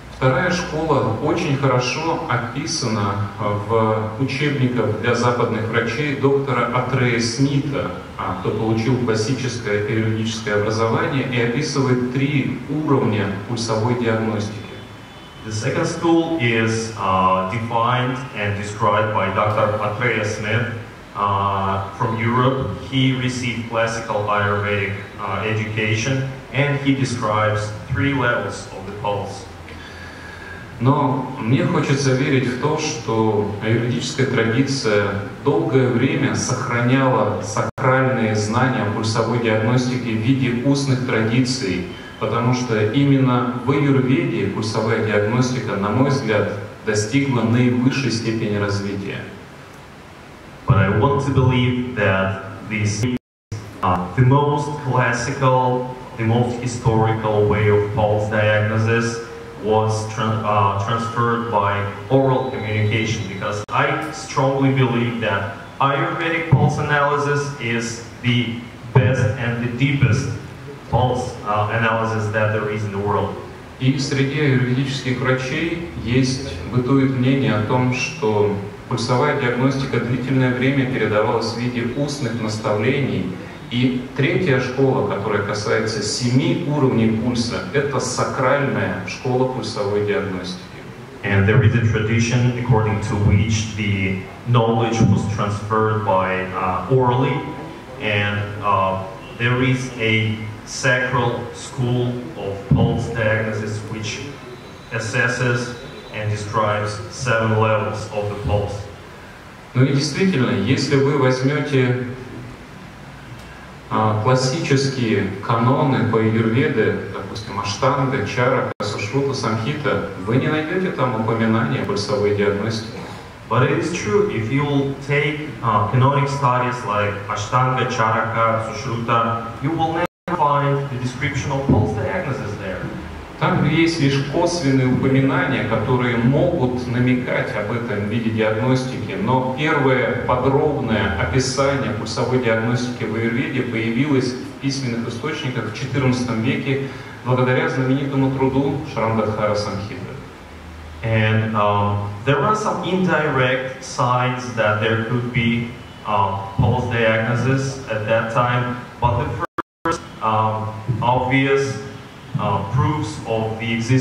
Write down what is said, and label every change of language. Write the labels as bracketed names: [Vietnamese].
[Russian] Вторая школа очень хорошо описана в учебниках для западных врачей доктора Атрея Смита, кто получил классическое аюрведическое образование и описывает три уровня пульсовой диагностики. [English] The second school is defined and described by Dr. Atreya Smith from Europe. He received classical Ayurvedic education and he describes three levels of the pulse. [Russian] Но мне хочется верить в то, что аюрведическая традиция долгое время сохраняла сакральные знания о пульсовой диагностике в виде устных традиций, потому что именно в аюрведе пульсовая диагностика, на мой взгляд, достигла наивысшей степени развития. [English] But I want to believe that this is the most classical, the most historical way of pulse diagnosis was transferred by oral communication, because I strongly believe that Ayurvedic pulse analysis is the best and the deepest pulse analysis that there is in the world. [Russian] И среди аюрведических врачей есть бытует мнение о том, что пульсовая диагностика длительное время передавалась в виде устных наставлений. И третья школа, которая касается семи уровней пульса, это сакральная школа пульсовой диагностики. [English] And there is a tradition according to which the knowledge was transferred by orally, and there is a sacral school of pulse diagnosis which assesses and describes seven levels of the pulse. [Russian] Ну и действительно, если вы возьмете классические каноны по аюрведе, допустим, аштанга, чарака, сушрута, самхита, вы не найдете там упоминания о пульсовой диагностике. [English] But it is true, if you will take canonic studies like аштанга, чарака, сушрута, you will never find the description of pulse diagnosis there. [Russian] Там есть лишь косвенные упоминания, которые могут намекать об этом виде диагностики, но первое подробное описание пульсовой диагностики в аюрведе появилось в письменных источниках в XIV веке благодаря знаменитому труду Шрамбадхара Самхиты. [English] And there are some indirect signs that there could be pulse diagnosis at that time, but the first obvious proofs of the existence